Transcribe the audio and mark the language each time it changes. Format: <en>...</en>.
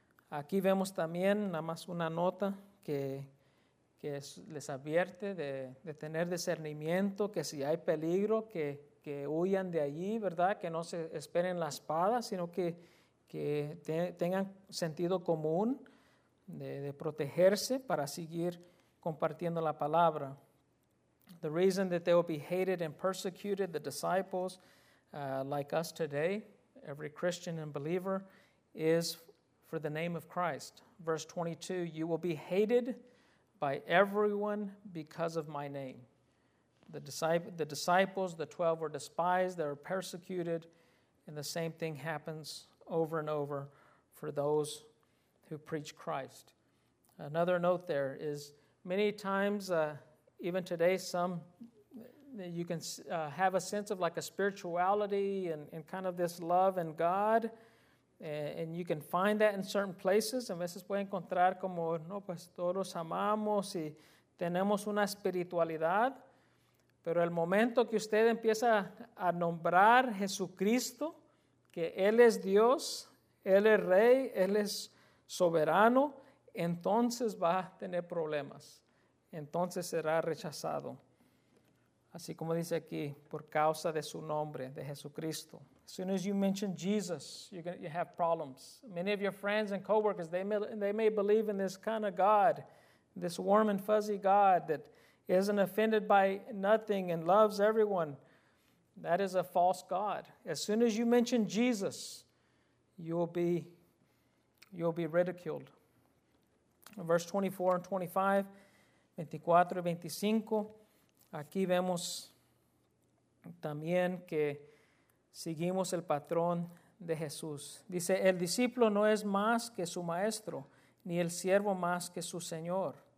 <es>Aquí vemos también, nada más una nota, que les advierte de tener discernimiento, que si hay peligro, que huyan de allí, ¿verdad? Que no se esperen la espada, sino que tengan sentido común de protegerse para seguir compartiendo la palabra.</es> <en>The reason that they will be hated and persecuted, the disciples, like us today, every Christian and believer, is for the name of Christ. Verse 22, you will be hated by everyone because of my name. The disciples, the 12, were despised, they were persecuted, and the same thing happens over and over for those who preach Christ. Another note there is many times, even today, some you can have a sense of like a spirituality and kind of this love in God, and you can find that in certain places.</en> <es>A veces puede encontrar como, no, pues todos amamos y tenemos una espiritualidad. Pero el momento que usted empieza a nombrar Jesucristo, que Él es Dios, Él es Rey, Él es soberano, entonces va a tener problemas. Entonces será rechazado, así como dice aquí, por causa de su nombre, de Jesucristo.</es> <en>As soon as you mention Jesus, you have problems. Many of your friends and coworkers, they may believe in this kind of God, this warm and fuzzy God that isn't offended by nothing and loves everyone. That is a false God. As soon as you mention Jesus, you'll be ridiculed. In verse 24 and 25.</en> <es>24 y 25, aquí vemos también que seguimos el patrón de Jesús. Dice, el discípulo no es más que su maestro, ni el siervo más que su señor.</es>